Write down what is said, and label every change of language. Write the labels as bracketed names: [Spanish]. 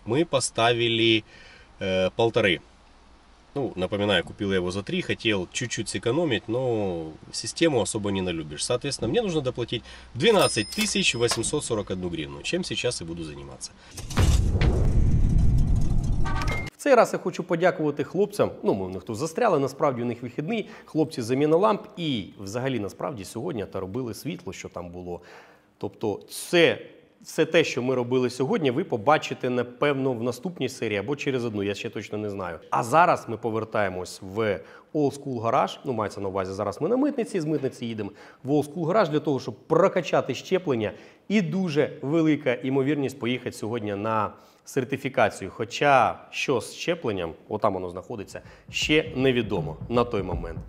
[Russian] Мы поставили 1500. Ну, напоминаю, купил я его за 3, хотел чуть-чуть сэкономить, но систему особо не налюбишь. Соответственно, мне нужно доплатить 12 841 гривну, чем сейчас и буду заниматься. [Ukrainian] В цей раз я хочу подякувати хлопцям, ну, ми в них тут застряли, насправді у них вихідний, хлопці заміна ламп і взагалі насправді сьогодні та робили світло, що там було. Тобто це те, що ми робили сьогодні, ви побачите, напевно, в наступній серії або через одну, я ще точно не знаю. А зараз ми повертаємось в Old School Garage, ну, мається на увазі, зараз ми на митниці, з митниці їдемо в Old School Garage для того, щоб прокачати щеплення і дуже велика ймовірність поїхати сьогодні на сертифікацію, хоча що з щепленням, отам воно знаходиться, ще невідомо на той момент.